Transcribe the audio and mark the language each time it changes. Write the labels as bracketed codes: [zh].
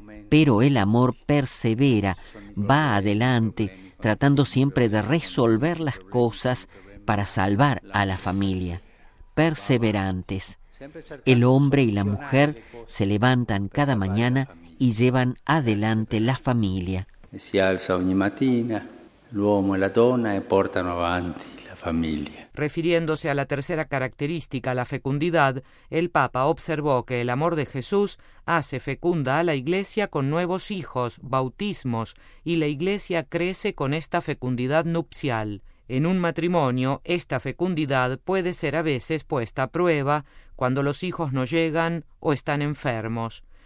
[es] Pero el amor persevera, va adelante, tratando siempre de resolver las cosas para salvar a la familia. Perseverantes. El hombre y la mujer se levantan cada mañana y llevan adelante la familia. [it] Si alza ogni mattina, l'uomo e la donna e portano avanti la famiglia. [es] Refiriéndose a la tercera característica, la fecundidad, el Papa observó que el amor de Jesús hace fecunda a la Iglesia con nuevos hijos, bautismos, y la Iglesia crece con esta fecundidad nupcial. En un matrimonio, esta fecundidad puede ser a veces puesta a prueba cuando los hijos no llegan o están enfermos.